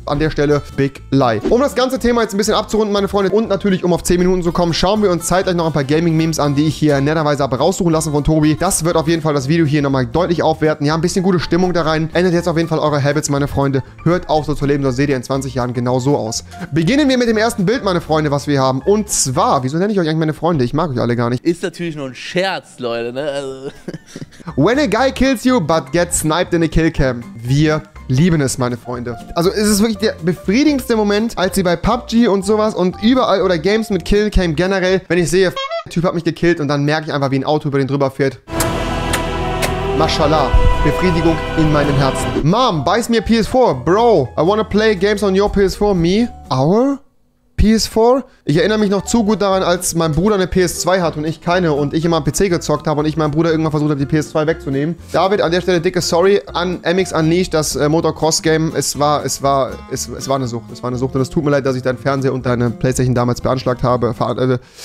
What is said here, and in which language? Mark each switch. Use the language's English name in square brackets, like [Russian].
[German] An der Stelle, [English] big lie. [German] Um das ganze Thema jetzt ein bisschen abzurunden, meine Freunde, und natürlich, um auf 10 Minuten zu kommen, schauen wir uns zeitgleich noch ein paar Gaming-Memes an, die ich hier netterweise habe raussuchen lassen von Tobi. Das wird auf jeden Fall das Video hier nochmal deutlich aufwerten. Ja, ein bisschen gute Stimmung da rein. Ändert jetzt auf jeden Fall eure Habits, meine Freunde. Hört auf, so zu leben, sonst seht ihr in 20 Jahren genau so aus. Beginnen wir mit dem ersten Bild, meine Freunde, was wir haben. Und zwar, wieso nenne ich euch eigentlich meine Freunde? Ich mag euch alle gar nicht. Ist natürlich nur ein Scherz, Leute, ne? Also. [English] When a guy kills you, but gets sniped in a killcam. [German] Wir lieben es, meine Freunde. Also es ist wirklich der befriedigendste Moment, als sie bei PUBG und sowas und überall oder Games mit Killcam generell, wenn ich sehe, der Typ hat mich gekillt und dann merke ich einfach, wie ein Auto über den drüber fährt. [English] Mashallah. [German] Befriedigung in meinem Herzen. [English] Mom, buy me a PS4. Bro, I wanna play games on your PS4. Me? Our? PS4. [German] Ich erinnere mich noch zu gut daran, als mein Bruder eine PS2 hat und ich keine und ich immer am PC gezockt habe und ich meinem Bruder irgendwann versucht habe, die PS2 wegzunehmen. David, an der Stelle dicke Sorry an MX Unleashed, das Motocross-Game. Es war eine Sucht. Es war eine Sucht und es tut mir leid, dass ich deinen Fernseher und deine PlayStation damals beanschlagt habe.